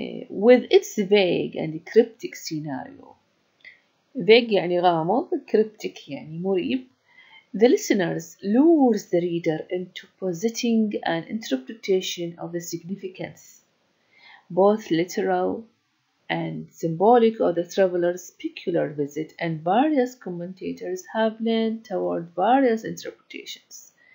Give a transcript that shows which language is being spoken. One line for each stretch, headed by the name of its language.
English: With its vague and cryptic scenario.
Arabic: vague يعني غامض, cryptic يعني مريب.
English: The listeners lures the reader into positing an interpretation of the significance, both literal and symbolic, of the traveler's peculiar visit, and various commentators have leaned toward various interpretations.